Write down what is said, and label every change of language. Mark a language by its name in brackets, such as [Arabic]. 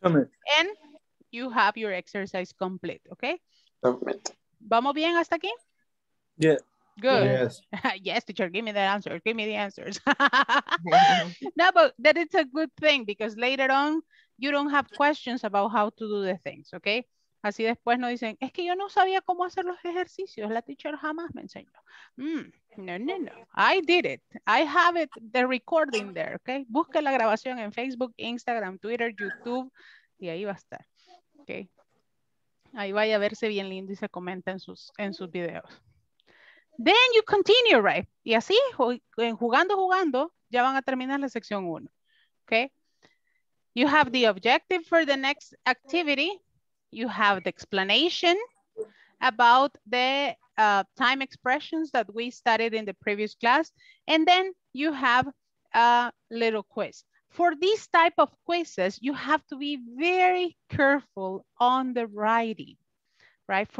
[English] And you have your exercise complete, okay? Submit. [Spanish] ¿Vamos bien hasta aquí? [English] Yeah. Good. Yes. Yes, teacher, give me that answer. Give me the answers. No, but that it's a good thing because later on, you don't have questions about how to do the things, okay? [Spanish] Así después nos dicen, es que yo no sabía cómo hacer los ejercicios. La teacher jamás me enseñó. No. [English] I did it. I have it, the recording there, okay? [Spanish] Busque la grabación en Facebook, Instagram, Twitter, YouTube, y ahí va a estar, okay? Ahí vaya a verse bien lindo y se comenta en sus videos. [English] Then you continue, right? [Spanish] Y así, jugando, ya van a terminar la sección 1, okay? [English] You have the objective for the next activity. You have the explanation about the time expressions that we studied in the previous class. And then you have a little quiz. For these type of quizzes, you have to be very careful on the writing, right?